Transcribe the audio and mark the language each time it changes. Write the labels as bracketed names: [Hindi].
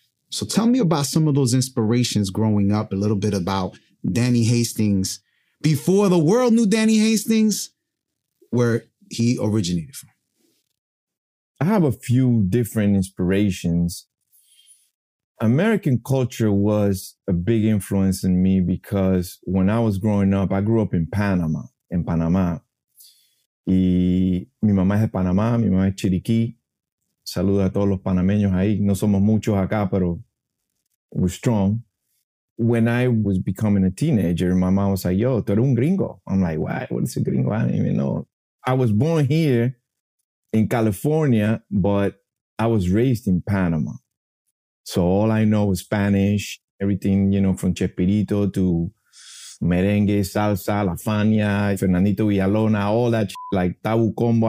[English] So tell me about some of those inspirations growing up, a little bit about Danny Hastings, before the world knew Danny Hastings, where he originated from. I have a few different inspirations. American culture was a big influence in me because when I was growing up, I grew up in Panama. [Spanish] Y mi mamá es de Panamá, mi mamá es Chiriquí. Saludo a todos los panameños ahí. No somos muchos acá, pero [English] we're strong. When I was becoming a teenager, my mom was like, [Spanish] yo, tú eres un gringo. [English] I'm like, why? What is a gringo? I don't even know. I was born here in California, but I was raised in Panama. So all I know was Spanish, everything, you know, from Chespirito to merengue, salsa, La Fania, Fernandito Villalona, all that shit, like Tabu Combo.